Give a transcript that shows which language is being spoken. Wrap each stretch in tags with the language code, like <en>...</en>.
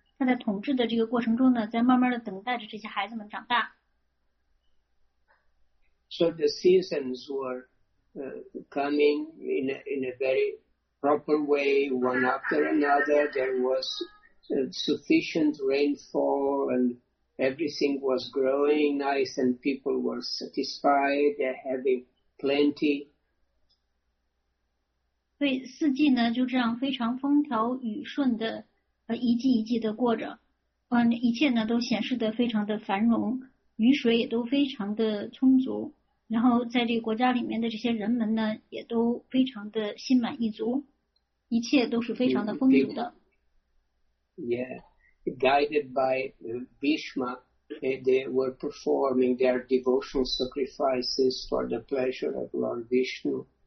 <en>So the seasons were coming in a very proper way, one after another. There was sufficient rainfall and everything was growing nice and people were satisfied, they're having plenty.</en> <zh>对,四季呢,就这样非常风调雨顺的 一季一季的过着，一切呢都显示得非常的繁荣，雨水也都非常的充足，然后在这个国家里面的这些人们呢也都非常的心满意足，一切都是非常的丰足的。</zh> <en>Yeah, guided by Bhishma, they were performing their devotional sacrifices for the pleasure of Lord Vishnu.</en>